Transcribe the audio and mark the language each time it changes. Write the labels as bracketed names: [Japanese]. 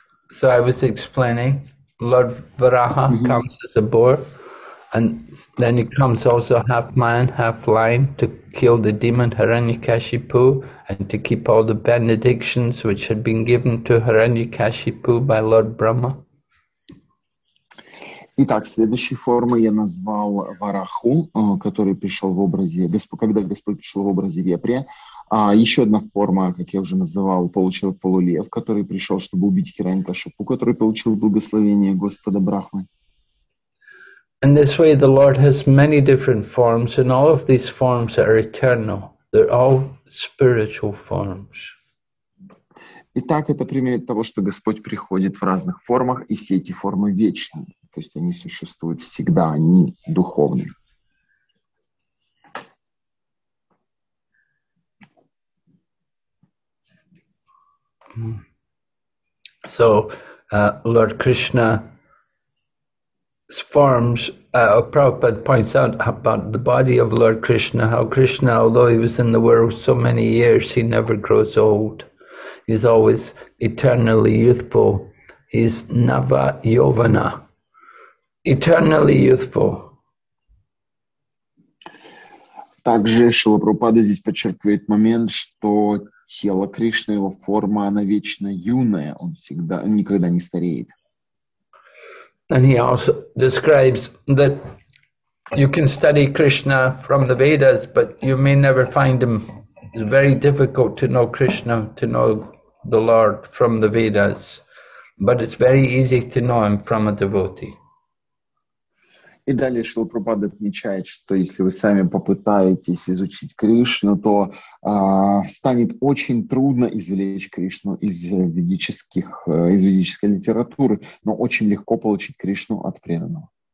[English] So I was explaining, Lord Varaha comes as a boar, and then he comes also half man, half lion, to kill the demon Hiranyakashipu, and to keep all the benedictions which had been given to Hiranyakashipu by Lord Brahma. [Russian] Итак, следующей формой я назвал Вараху, который пришел в образе, когда Господь пришел в образе вепря. А еще одна форма, как я уже называл, получил полулев, который пришел, чтобы убить Хиранькашипу, который получил благословение Господа Брахмы. [English] In this way, the Lord has many different forms, and all of these forms are eternal. They're all spiritual forms. [Russian] Итак, это пример того, что Господь приходит в разных формах, и все эти формы вечны. То есть они существуют всегда, они духовные. [English] So, Lord Krishna's forms, Prabhupada points out about the body of Lord Krishna, how Krishna, although he was in the world so many years, he never grows old. He's always eternally youthful. He's Nava Yovana. Eternally youthful. [Russian] Также Шрила Прабхупада здесь подчеркивает момент, что тело Кришны, его форма, она вечно юная, он всегда, он никогда не стареет. [English] And he also describes that you can study Krishna from the Vedas, but you may never find him. It's very difficult to know Krishna, to know the Lord from the Vedas, but it's very easy to know him from a devotee. [Russian] И далее Шрила Прабхупада отмечает, что если вы сами попытаетесь изучить Кришну, то станет очень трудно извлечь Кришну из ведической литературы, но очень легко получить Кришну от преданного.